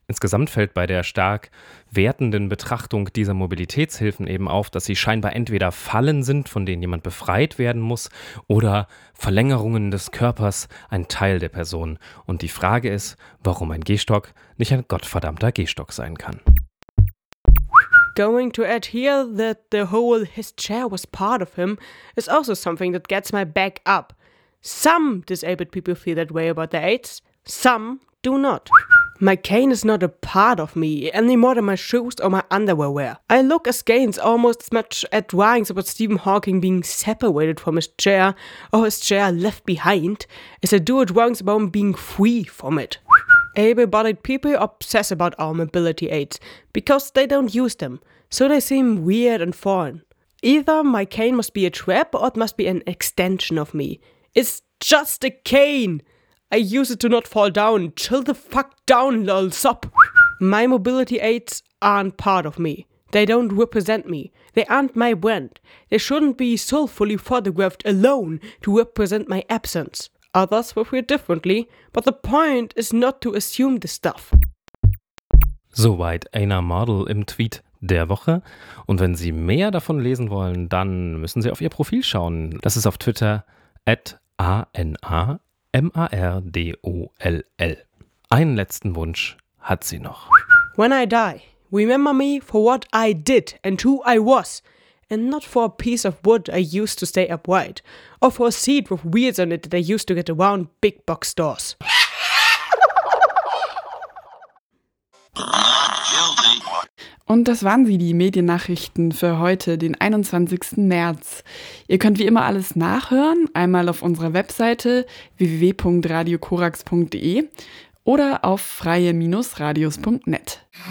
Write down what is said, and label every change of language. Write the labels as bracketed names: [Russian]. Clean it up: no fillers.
[German] Insgesamt fällt bei der stark wertenden Betrachtung dieser Mobilitätshilfen eben auf, dass sie scheinbar entweder Fallen sind, von denen jemand befreit werden muss, oder Verlängerungen des Körpers, ein Teil der Person. Und die Frage ist, warum ein Gehstock nicht ein gottverdammter Gehstock sein kann. [English] Going to add here that the whole his chair was part of him is also something that gets my back up. Some disabled people feel that way about their aids, some do not. My cane is not a part of me any more than my shoes or my underwear wear. I look askance almost as much at drawings about Stephen Hawking being separated from his chair or his chair left behind as I do at drawings about him being free from it. Able-bodied people obsess about our mobility aids because they don't use them, so they seem weird and foreign. Either my cane must be a trap or it must be an extension of me. It's just a cane! I use it to not fall down. Chill the fuck down, lol, sop. My mobility aids aren't part of me. They don't represent me. They aren't my brand. They shouldn't be soulfully photographed alone to represent my absence. Others will feel differently, but the point is not to assume this stuff. [German] Soweit Anna Madel im Tweet der Woche. Und wenn Sie mehr davon lesen wollen, dann müssen Sie auf ihr Profil schauen. Das ist auf Twitter @ANAMARDOLL. Einen letzten Wunsch hat sie noch. [English] When I die, remember me for what I did and who I was. And not for a piece of wood I used to stay upright. Or for a seat with wheels on it that I used to get around big box stores. [German] Und das waren sie, die Mediennachrichten für heute, den 21. März. Ihr könnt wie immer alles nachhören, einmal auf unserer Webseite www.radiokorax.de oder auf freie-radios.net.